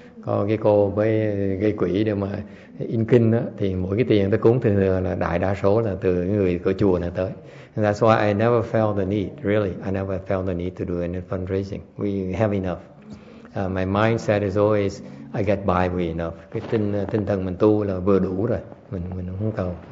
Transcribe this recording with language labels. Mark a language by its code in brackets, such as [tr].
[vi] Có cái cô mới gây quỹ để mà in kinh đó, thì mỗi cái tiền ta cúng thì là đại đa số là từ người của chùa này tới. [en] And that's why I never felt the need, really. I never felt the need to do any fundraising. We have enough. My mindset is always, I get by with enough. [vi] Cái tinh thần mình tu là vừa đủ rồi. Mình không cầu.